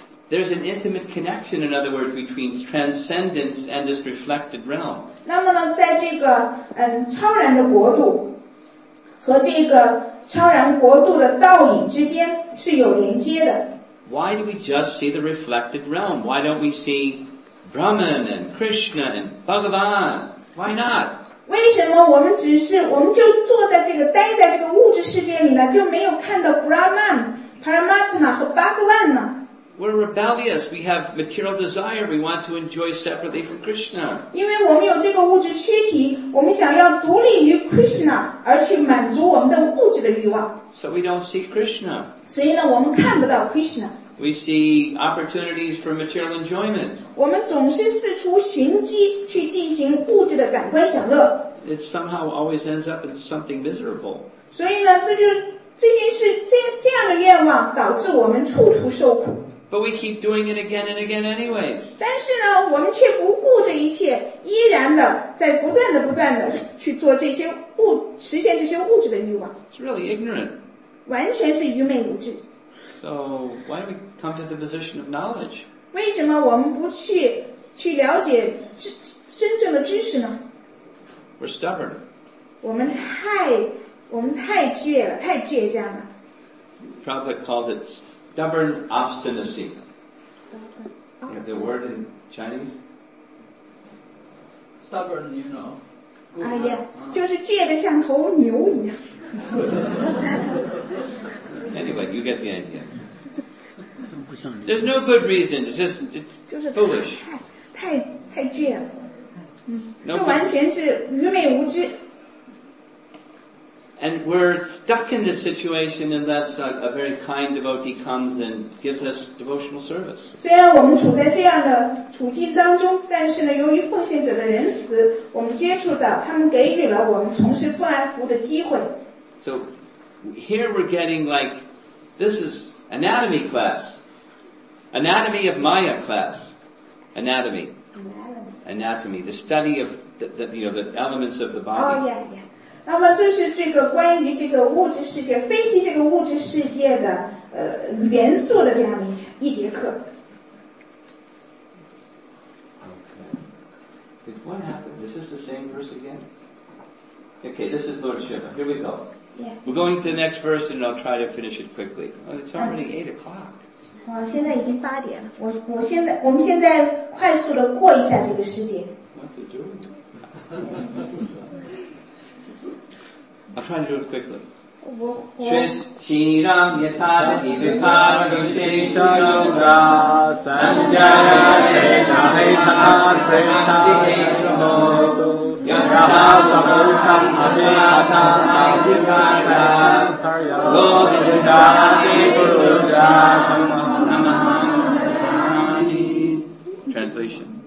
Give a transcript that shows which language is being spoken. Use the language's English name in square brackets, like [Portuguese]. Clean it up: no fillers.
[English] There's an intimate connection, in other words, between transcendence and this reflected realm. [Chinese] 那么呢，在这个超然的国度和这个超然国度的倒影之间是有连接的。 [English] Why do we just see the reflected realm? Why don't we see Brahman and Krishna and Bhagavan? Why not? [Chinese] 为什么我们就坐在这个待在这个物质世界里呢，就没有看到 Brahman？ Paramatma 和 Bhagavan 呢 [English] We're rebellious. We have material desire. We want to enjoy separately from Krishna. [Chinese] 因为我们有这个物质躯体，我们想要独立于 Krishna， 而去满足我们的物质的欲望。 [English] So we don't see Krishna. [Chinese] 所以呢，我们看不到 Krishna. [English] We see opportunities for material enjoyment. [Chinese] 我们总是四处寻机去进行物质的感官享乐。 [English] It somehow always ends up in something miserable. [Chinese] 所以呢，这就是这样的愿望导致我们处处受苦。 [English] But we keep doing it again and again anyways. [Chinese] 但是呢我们却不顾这一切依然的在不断的不断的去做这些物实现这些物质的欲望。 [English] It's really ignorant. [Chinese] 完全是愚昧无知。 [English] So, why do we come to the position of knowledge? [Chinese] 为什么我们不去了解真正的知识呢? [English] We're stubborn. [Chinese] 我们太倔了太倔强了。 [English] Prabhupada calls it stubborn obstinacy. Is the word in Chinese? Stubborn, you know. [Chinese] Yeah. 就是倔得像头牛一样。 [English] Anyway, you get the idea. There's no good reason. It's foolish. [Chinese] 太倔了。那完全是愚昧无知。 [English] And we're stuck in this situation unless a very kind devotee comes and gives us devotional service. [Chinese] 虽然我们处在这样的处境当中，但是呢，由于奉献者的仁慈，我们接触到他们给予了我们从事奉献服务的机会。 [English] So here we're getting like this is anatomy class, anatomy of Maya class, anatomy, anatomy, the study of the you know the elements of the body. Oh yeah, yeah. [Chinese] 那么这是这个关于这个物质世界分析这个物质世界的元素的这样的一节课。 [English] Okay. Did what happened? Is this the same verse again? Okay, this is Lord Shiva. Here we go. Yeah. We're going to the next verse and I'll try to finish it quickly. Oh, it's already 8 o'clock. [Chinese] 现在已经八点了。我们现在快速的过一下这个世界。 [English] What are you doing? I'll try to do it quickly. [Sanskrit] Shrishiram yathadhi vipara vishishara ura sanjaya yeta haitana trinasti hetamo yadraha vahutam adhyasa adhikata lohidhati purusha namaha namahani. Translation.